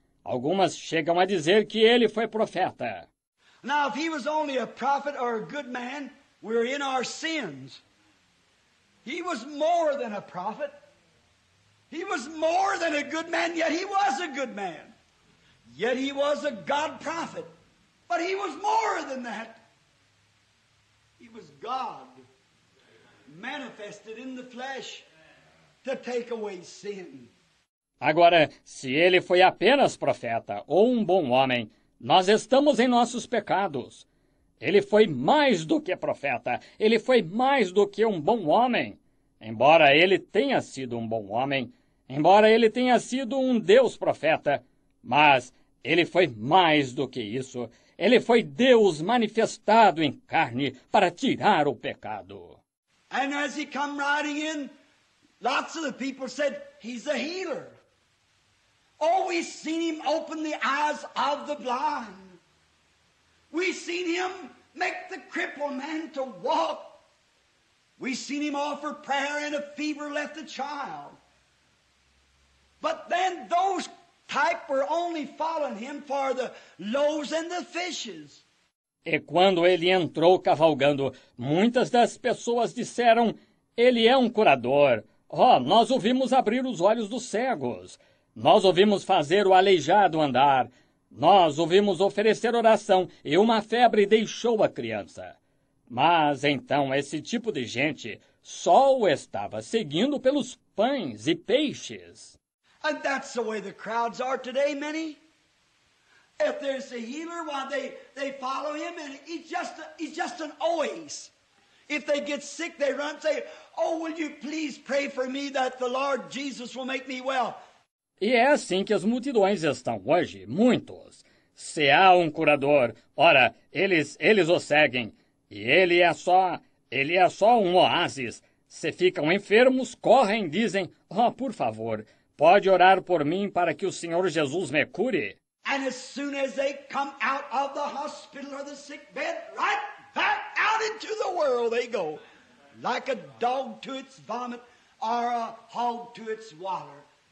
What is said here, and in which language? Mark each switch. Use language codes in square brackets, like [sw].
[pt] Algumas chegam a dizer que ele foi profeta. [en] Now, if he was only a prophet or a good man, we're in our sins. He was more than a prophet. He was more than a good man, yet he was a good man. Yet he was a God prophet. But he was more than that. He was God manifested in the flesh to take away sin. [pt] Agora, se ele foi apenas profeta ou um bom homem, nós estamos em nossos pecados. Ele foi mais do que profeta, ele foi mais do que um bom homem. Embora ele tenha sido um bom homem, embora ele tenha sido um Deus profeta, mas ele foi mais do que isso. Ele foi Deus manifestado em carne para tirar o pecado. [en] And as he come riding in, lots of the people said, "He's a healer." Always seen him open the eyes of the blind. We seen him make the crippled man to walk. We seen him offer prayer and a fever left the child. But then those type were only following him for the loaves and the fishes. [pt] E quando ele entrou cavalgando, muitas das pessoas disseram: "Ele é um curador. Oh, nós ouvimos abrir os olhos dos cegos. Nós ouvimos fazer o aleijado andar. Nós ouvimos oferecer oração e uma febre deixou a criança." Mas então esse tipo de gente só o estava seguindo pelos pães e peixes. [en] And that's the way the crowds are today, many. If there's a healer, why they follow him, and he's just an always. If they get sick, they run and say, "Oh, will you please pray for me that the Lord Jesus will make me well." [pt] E é assim que as multidões estão hoje, muitos. Se há um curador, ora, eles o seguem. E ele é só um oásis. Se ficam enfermos, correm, dizem: "Oh, por favor, pode orar por mim para que o Senhor Jesus me cure." [en] And as soon as they come out of the hospital or the sick bed, right back out into the world they go, like a dog to its vomit or a hog to its water.